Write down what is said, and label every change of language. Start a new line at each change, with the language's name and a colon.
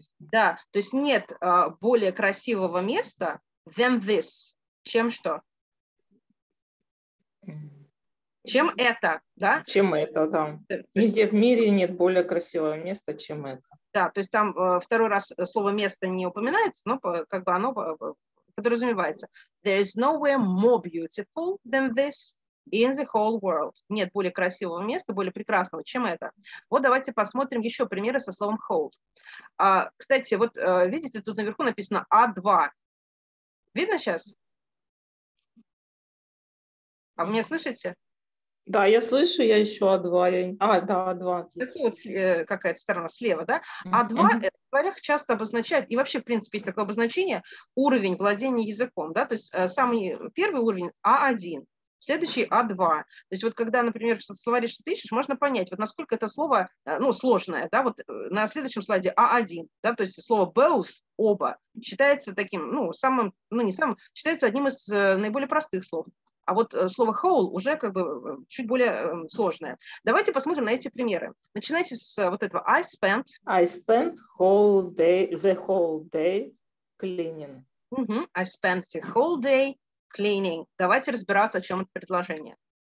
Russian: Да, то есть нет более красивого места
English: than this,
Russian: чем что? Чем это, да? Чем это, да. Нигде в мире нет более красивого места, чем это. Да, то есть там второй раз слово «место» не упоминается, но как бы оно... подразумевается.
English: There is nowhere more beautiful than this in the whole world.
Russian: Нет более красивого места, более прекрасного, чем это. Вот давайте посмотрим еще примеры со словом hold. Кстати, вот видите, тут наверху написано A2. Видно сейчас? А вы меня слышите? Да, я слышу, я еще А2. Да, А2. Такая вот какая-то сторона слева, да? А2 в словарях часто обозначает, и вообще, в принципе, есть такое обозначение, уровень владения языком, да? То есть самый первый уровень – А1, следующий – А2. То есть вот когда, например, в словаре что-то ищешь, можно понять, вот насколько это слово, ну, сложное, да? Вот на следующем слайде – А1, да? То есть слово «both» – «оба» считается таким, ну, самым, ну, не самым, считается одним из наиболее простых слов. А вот слово whole уже как бы чуть более сложное. Давайте посмотрим на эти примеры. Начинайте с вот этого.
English: I spent the whole day cleaning. Uh-huh. I spent the whole day cleaning.
Russian: Давайте разбираться, о чем это предложение.